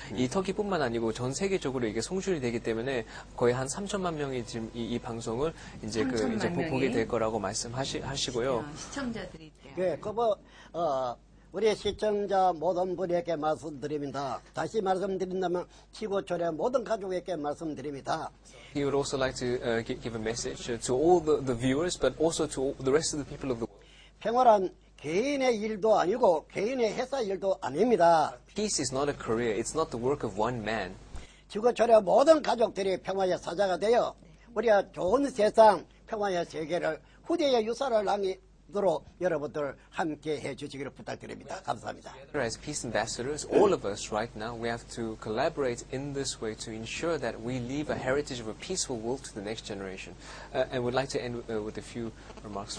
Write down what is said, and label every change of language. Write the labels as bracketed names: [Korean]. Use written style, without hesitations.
[Korean] 이 터키뿐만 아니고 전 세계적으로 이게 송출이 되기 때문에 거의 한 3천만 명이 지금 이 방송을 이제 그 이제 보게 될 거라고 말씀하시고요. 시청자들이 있대요. 네, 그 뭐 우리 시청자 모든 분에게 말씀드립니다. 다시 말씀드린다면 지구촌의 모든 가족에게 말씀드립니다. [English] He would also like to give a message to all the viewers, but also to all the rest of the people of the world. [Korean] 평화란 개인의 일도 아니고 개인의 회사 일도 아닙니다. [English] Peace is not a career. It's not the work of one man. [Korean] 지구촌의 모든 가족들이 평화의 사자가 되어 우리가 좋은 세상, 평화의 세계를 후대의 유산을 남기 여러분들 함께 해주시기를 부탁드립니다. 감사합니다. [English] As peace ambassadors, all of us right now, we have to collaborate in this way to ensure that we leave a heritage of a peaceful world to the next generation. And we'd like to end with a few remarks.